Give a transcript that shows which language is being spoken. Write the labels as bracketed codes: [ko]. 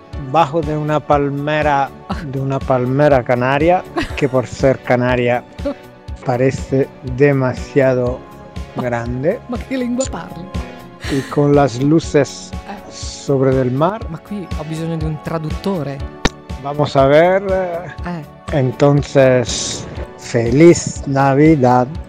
[es] Bajo de una palmera, canaria, que por ser canaria parece demasiado grande. [it] Ma che lingua parli? [es] Y con las luces sobre del mar. [it] Ma qui ho bisogno di un traduttore. [es] Vamos a ver. Entonces, feliz Navidad.